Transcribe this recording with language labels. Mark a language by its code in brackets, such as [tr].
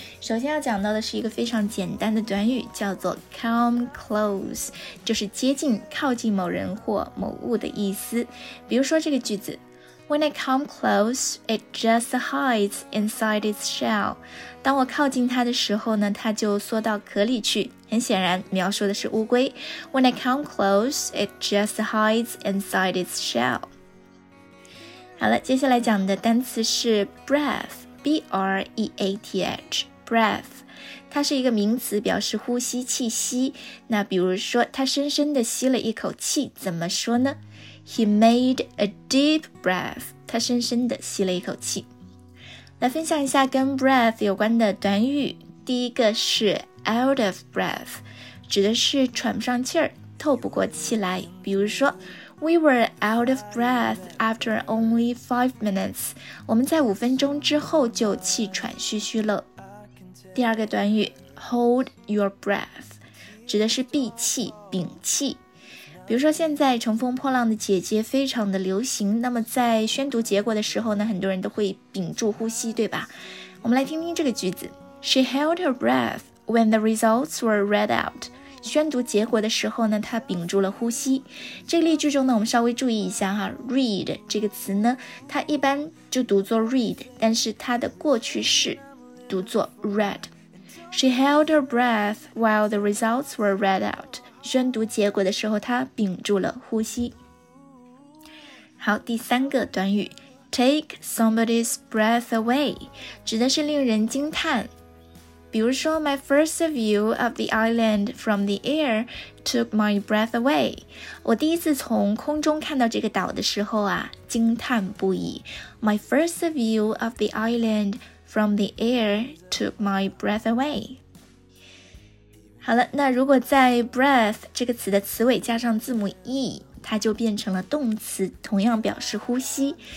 [zh] 首先要讲到的是一个非常简单的短语，叫做 [en] come close， [zh] 就是接近、靠近某人或某物的意思。 [en] 比如说这个句子， When I come close, it just hides inside its shell. [zh] 当我靠近它的时候呢，它就缩到壳里去。很显然，描述的是乌龟。 [en] When I come close, it just hides inside its shell. [zh] 好了，接下来讲的单词是 breath， B-R-E-A-T-H， breath， 它是一个名词，表示呼吸气息。那比如说，他深深地吸了一口气，怎么说呢？ [en] He made a deep breath， [zh] 他深深地吸了一口气。来分享一下跟 breath 有关的短语，第一个是 [en] out of breath， [zh] 指的是喘不上气儿，透不过气来。比如说 [en] We were out of breath after only 5 minutes. [zh] 我们在五分钟之后就气喘吁吁了。第二个短语 , [en] hold your breath, [zh] 指的是闭气、屏气。比如说现在乘风破浪的姐姐非常的流行，那么在宣读结果的时候呢，很多人都会屏住呼吸，对吧？我们来听听这个句子。 [en] She held her breath when the results were read out. [zh] 宣读结果的时候呢，他屏住了呼吸。这个例句中呢，我们稍微注意一下哈 ，read 这个词呢，它一般就读作 read， 但是它的过去式读作 read。 [en] She held her breath while the results were read out。 [zh] 宣读结果的时候，他屏住了呼吸。好，第三个短语 ， [en] take somebody's breath away， [zh] 指的是令人惊叹。比如说 [en] My first view of the island from the air took my breath away. [zh] 我第一次从空中看到这个岛的时候啊，惊叹不已。 [en] My first view of the island from the air took my breath away. [zh] 好了，那如果在 breath 这个词的词尾加上字母 e， 它就变成了动词，同样表示呼吸。